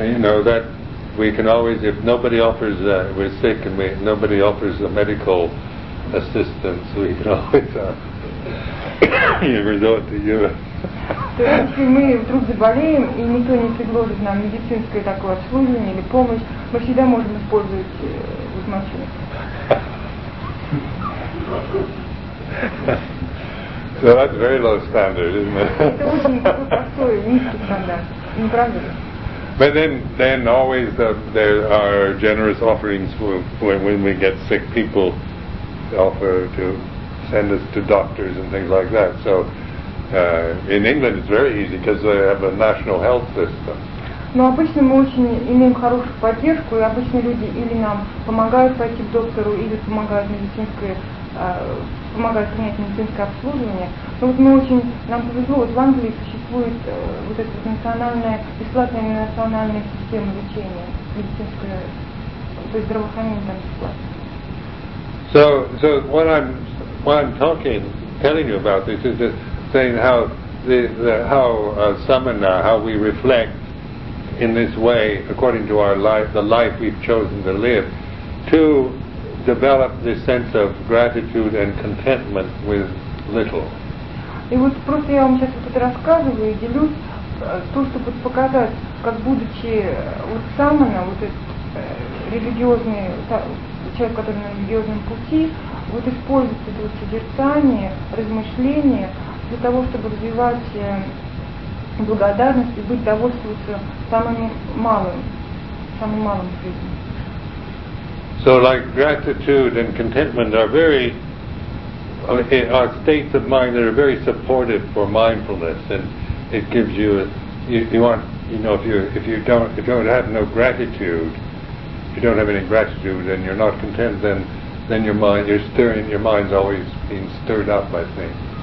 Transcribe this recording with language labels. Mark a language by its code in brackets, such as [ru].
[en] So that we can always, if nobody offers, we're sick and nobody offers the medical assistance, we can always resort to you. [ru] То есть, если мы вдруг заболеем, и никто не предложит нам медицинское такое обслуживание или помощь, мы всегда можем использовать мочу. [en] So that's a very low standard, isn't it? [ru] Это очень простой, низкий стандарт. Не правда ли? [en] But then always there are generous offerings when we get sick, people offer to send us to doctors and things like that. So in England it's very easy because they have a national health system. [ru] Но обычно мы очень имеем хорошую поддержку, и обычно люди или нам помогают пойти к доктору, или помогают принять медицинское обслуживание. Но вот мы очень, нам повезло, вот в Англии существует вот эта национальная, бесплатная национальная система лечения, медицинское, то есть здравоохранение там бесплатно. [en] So what I'm talking, telling you about this is just saying how how we reflect in this way according to our life, the life we've chosen to live, to develop this sense of gratitude and contentment with little. [ru] И вот просто я вам сейчас вот это рассказываю и делюсь, то, чтобы показать, как будучи вот самана, вот этот религиозный, человек, который на религиозном пути, вот использует это вот созерцание, размышление для того, чтобы развивать благодарность и быть довольствоваться самым малым в жизни. [en] So like gratitude and contentment are very are states of mind that are very supportive for mindfulness, and it gives you if you don't have any gratitude and you're not content, then your mind's always being stirred up by things.